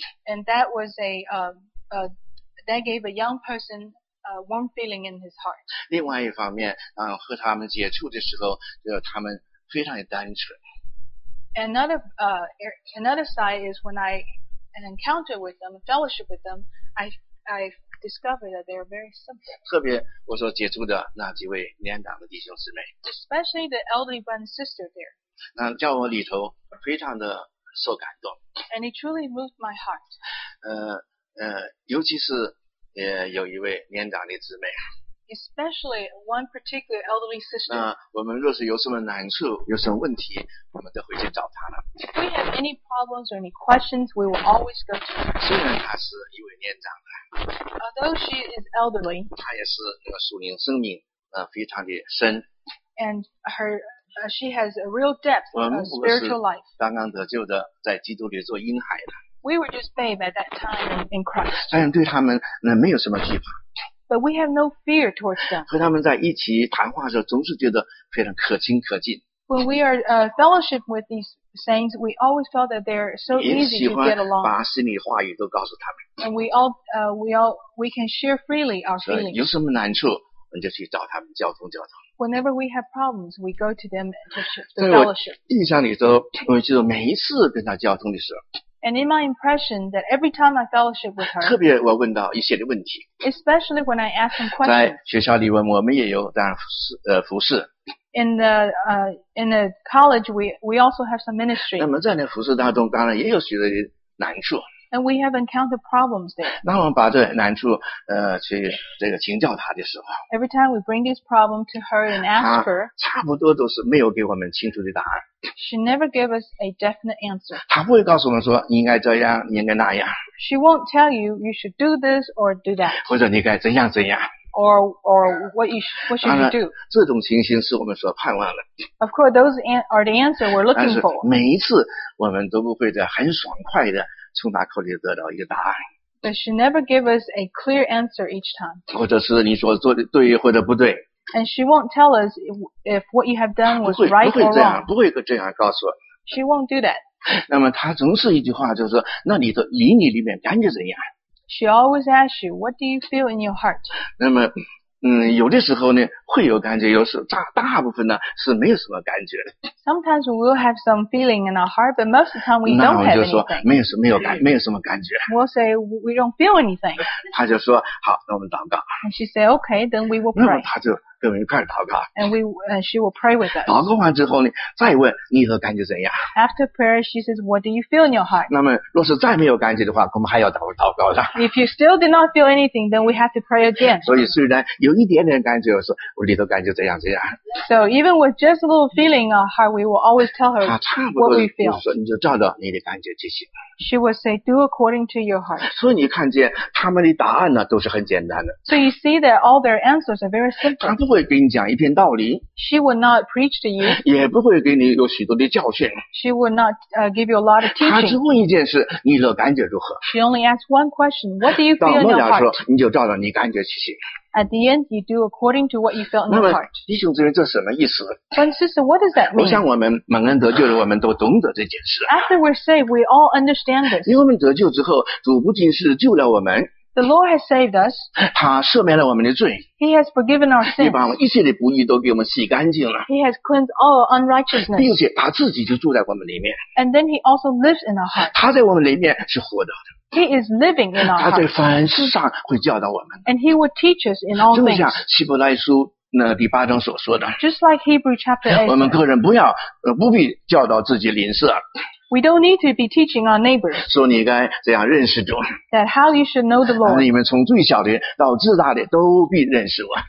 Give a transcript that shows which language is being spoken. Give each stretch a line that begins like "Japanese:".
English: And that was that gave a young person a warm feeling in his heart.
Chinese: 另外一方面，和他们接触的时候，就是他们非常的单纯。
English: Another side is when I. An encounter with them, fellowship with them, I discovered that they are very simple.
Chinese: 特别我所接触的那几位年长的弟兄姊妹。
English: Especially the elderly brother and sister there.
Chinese: 那叫我里头非常的受感动。
English: And it truly moved my heart.
Chinese: 尤其是有一位年长的姊妹。
English: especially one particular elderly sister.
Chinese: 那我们若是有什么难处，有什么问题，我们都会去找她呢。
English: If we have any problems or any questions, we will always go to her.
Chinese: 虽然她是一位年长的。
English: Although she is elderly.
Chinese: 她也是那个属灵生命，非常的深。
English: And her, she has a real depth of spiritual life.
Chinese: 我们是刚刚得救的，在基督里做婴孩的。
English: We were just babe at that time in Christ.
Chinese: 但是对他们那没有什么惧怕。
English: But we have no fear towards them.
Chinese: 和他们在一起谈话的时候，总是觉得非常可亲可近。
English: When we are fellowship with these saints, we always felt that they're so easy to get along.
Chinese: 把心里话语都告诉他们。
English: And we can share freely our feelings.
Chinese: 有什么难处，我们就去找他们交通交通。
English: Whenever we have problems, we go to them to share the fellowship.
Chinese: 印象里头，我记得每一次跟他交通的时候。
English: And in my impression that every time I fellowship with her,
Chinese: 特别我问到一些的问题
English: especially when I ask some questions.
Chinese: 在学校里我们也有当服侍
English: In the college, we also have some ministry.
Chinese: 那么在那服侍当中，当然也有许多的难处
English: And we have encountered problems there.
Chinese: 那我们把这难处去这个请教她的时候
English: Every time we bring this problem to her and ask her,
Chinese: 她差不多都是没有给我们清楚的答案。
English: She never gave us a definite answer.
Chinese: 她不会告诉我们说你应该这样，你应该那样。
English: She won't tell you you should do this or do that.
Chinese: 或者你该怎样怎样。
English: Or what should you do?
Chinese: 这种情形是我们所盼望的。
English: Of course, those are the answer we're looking for.
Chinese: 但是每一次我们都不会的很爽快的从她口里得到一个答案。
English: But she never gave us a clear answer each time.
Chinese: 或者是你说做的对或者不对。
English: And she won't tell us if what you have done was right or wrong.
Chinese: 不会这样告诉我。
English: She won't do that.
Chinese: 那么她总是一句话就是说，那你的以你里面感觉怎样？
English: She always asks you, what do you feel in your heart?
Chinese: 那么，有的时候呢会有感觉，有时大部分呢是没有什么感觉的。
English: Sometimes we will have some feeling in our heart, but most of the time we don't have anything.
Chinese: 那我就说没有什么感觉。
English: We'll say we don't feel anything.
Chinese: 她就说好，那我们祷告。
English: And she said, okay, then we will pray.
Chinese: 那么她就跟我们一块祷告。
English: And she will pray with us.
Chinese: 祷告完之后呢，再问你的感觉怎样
English: ？After prayer, she says, "What do you feel in your heart?"
Chinese: 那么，若是再没有感觉的话，我们还要祷告的。
English: If you still did not feel anything, then we have to pray again.
Chinese: 所以虽然有一点点感觉，我说我里头感觉怎样怎样。
English: So even with just a little feeling in our heart, we will always tell her what we feel.
Chinese: 差不多，说你就照着你的感觉就行。
English: She would say, "Do according to your heart."
Chinese: 所以你看见他们的答案呢，都是很简单的。
English: So you see that all their answers are very simple.
Chinese: 他不会给你讲一篇道理。
English: She would not preach to you.
Chinese: 也不会给你有许多的教训。
English: She would not give you a lot of teaching.
Chinese: 他只问一件事，你的感觉如何
English: ？She only asks one question. What do you feel in your heart?
Chinese: 到末了说，你就照着你感觉去行。
English: At the end, you do according to what you felt in your heart.
Chinese: 那么弟兄姊妹，这什么意思
English: ？But sister, what does that mean?
Chinese: 我想我们蒙恩得救的，我们都懂得这件事。
English: After we're saved, we all understand this.
Chinese: 因为我们得救之后，主不仅是救了我们
English: ，The Lord has saved us.
Chinese: 他赦免了我们的罪
English: ，He has forgiven our sins.
Chinese: 也把我们一切的不义都给我们洗干净了
English: ，He has cleansed all unrighteousness.
Chinese: 并且他自己就住在我们里面
English: ，And then He also lives in our heart.
Chinese: 他在我们里面是活的。
English: He is living in our heart.
Chinese: 他在凡事上会教导我们。
English: And he will teach us in all things.
Chinese: 就像希伯来书那第八章所说的。
English: Just like Hebrew chapter 8.
Chinese: 我们个人不必教导自己邻舍。
English: We don't need to be teaching our neighbors.
Chinese: 说你该这样认识主。
English: That how you should know the Lord.
Chinese: 你们从最小的到至大的都必认识我。